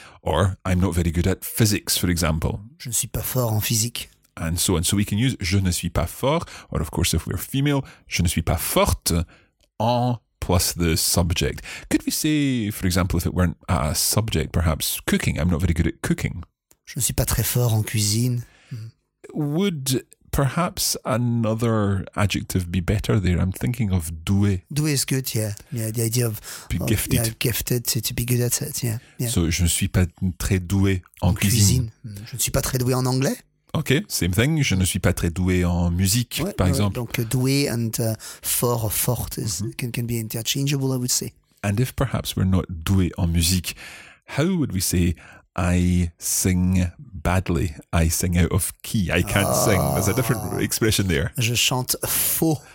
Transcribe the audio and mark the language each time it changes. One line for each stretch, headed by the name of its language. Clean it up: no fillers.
English: Or, I'm not very good at physics, for example.
French: Je ne suis pas fort en physique.
English: And so on. So we can use
French: je ne suis pas fort,
English: or of course if we're female,
French: je ne suis pas forte,
English: en plus the subject. Could we say, for example, if it weren't a subject, perhaps cooking, I'm not very good at cooking.
French: Je ne suis pas très fort en cuisine.
English: Would perhaps another adjective be better there? I'm thinking of doué. Doué is good, yeah. Yeah, the idea of be gifted. Yeah, gifted, to be good at it, yeah. Yeah.
French: So je ne suis pas très doué en cuisine. Je ne suis pas très doué en anglais.
English: Ok, same thing.
French: Je ne suis pas très doué en musique, ouais, par exemple.
English: Donc doué and fort or forte can be interchangeable, I would say. And if perhaps we're not
French: doué en musique,
English: how would we say I sing badly? I sing out of key. I can't sing. There's a different expression there.
French: Je chante faux.